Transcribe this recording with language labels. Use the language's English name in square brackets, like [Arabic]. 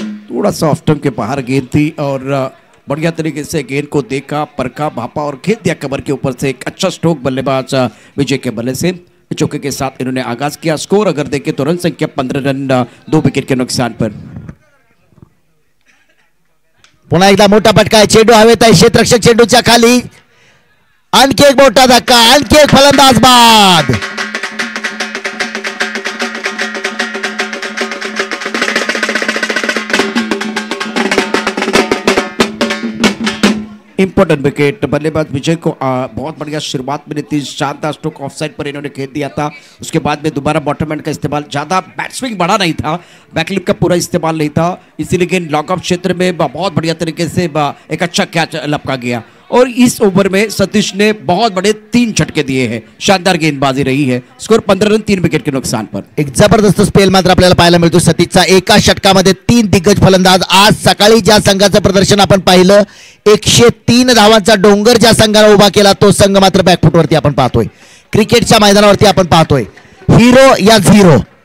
[Hindi] थोड़ा सा off stump के बाहर गेंद थी और बढ़िया तरीके से गेंद को देखा, परखा, भापा और खेल दिया कवर के ऊपर से. एक अच्छा स्ट्रोक बल्लेबाज विजय के बल्ले से. चौके के साथ इन्होंने आगाज किया. स्कोर अगर देखें तो रन संख्या 15 रन 2 विकेट के नुकसान पर. [Marathi] पुनः एकदा मोटा पटका है चेंडू हवेत आहे क्षेत्ररक्षक चेंडूच्या खाली. आणखी एक मोटा धक्का आणखी एक फलंदाज बाद. [Hindi] इम्पोर्टेंट विकेट बल्लेबाज विजय को बहुत बढ़िया शुरुआत मिली थी. शानदार स्ट्रोक ऑफसाइड पर इन्होंने खेल दिया था. उसके बाद में दोबारा बॉटम एंड का इस्तेमाल, ज़्यादा बैट स्विंग बड़ा नहीं था, बैकलिप का पूरा इस्तेमाल नहीं था, इसीलिए लॉकअप क्षेत्र में बहुत बढ़िया तरीके से एक अच्छा कैच लपका गया. और इस ओवर में सतीश ने बहुत बड़े 3 झटके दिए हैं. शानदार गेंदबाजी रही है. स्कोर 15 रन 3 विकेट के नुकसान पर. [Marathi] एक जबरदस्त स्पेल मात्र आपल्याला पाहायला मिळतो सतीशचा. एका षटकामध्ये 3 दिग्गज फलंदाज. आज सकाळी ज्या संघाचं प्रदर्शन आपण पाहिलं, 103 धावांचा डोंगर ज्या संघाला उभा केला तो संघ मात्र बॅकफुटवरती आपण पाहतोय. क्रिकेटच्या मैदानावरती आपण पाहतोय हिरो या झिरो.